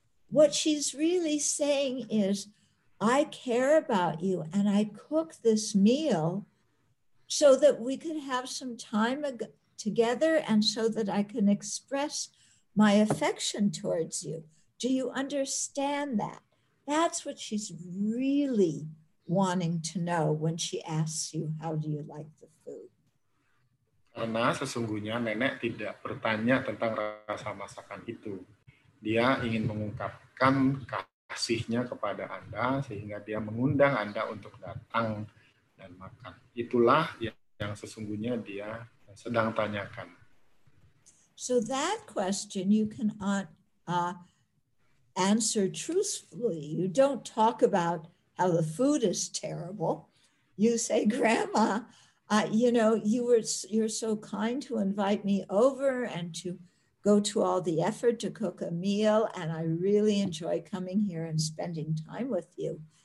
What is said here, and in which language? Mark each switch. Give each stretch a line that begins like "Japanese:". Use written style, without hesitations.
English: What she's really saying is, I care about you and I cook this meal so that we could have some time together and so that I can express my affection towards you. Do you understand that? That's what she's really wanting to know when she asks you, how do you like the food?
Indonesian: Karena sesungguhnya nenek tidak bertanya tentang rasa masakan itu. Dia ingin mengungkapkan kasihnya kepada Anda sehingga dia mengundang Anda untuk datang dan makan. Itulah yang sesungguhnya dia sedang tanyakan.
English: So that question you can answer truthfully. You don't talk about how the food is terrible. You say, "Grandma, you're so kind to invite me over and to go to all the effort to cook a meal, and I really enjoy coming here and spending time with you."